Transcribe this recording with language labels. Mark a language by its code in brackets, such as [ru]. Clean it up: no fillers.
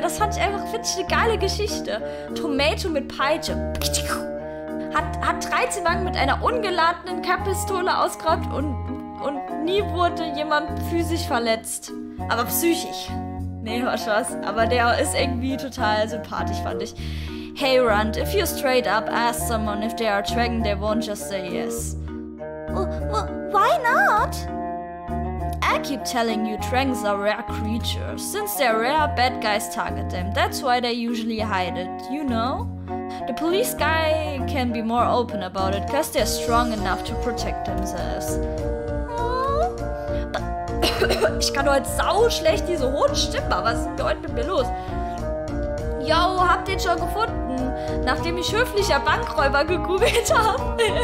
[de] Das fand ich einfach, finde ich, eine geile Geschichte. Tomato mit Peitsche. Hat 13 Banken mit einer ungeladenen Kapistole ausgeraubt und nie wurde jemand physisch verletzt. Aber psychisch. Nee, war Spaß. Aber der ist irgendwie total sympathisch, fand ich. [en] Hey, Rund, if you straight up ask someone if they are a dragon, they won't just say yes. Why not? I keep telling you, dragons are rare creatures. Since they're rare, bad guys target them. That's why they usually hide it, you know? The police guy can be more open about it, because they're strong enough to protect themselves. [de] Ich kann heute sau schlecht diese hohen Stimmen, aber was ist heute mit mir los? Yo, habt ihr schon gefunden, nachdem ich höflicher Bankräuber gegoogelt habe?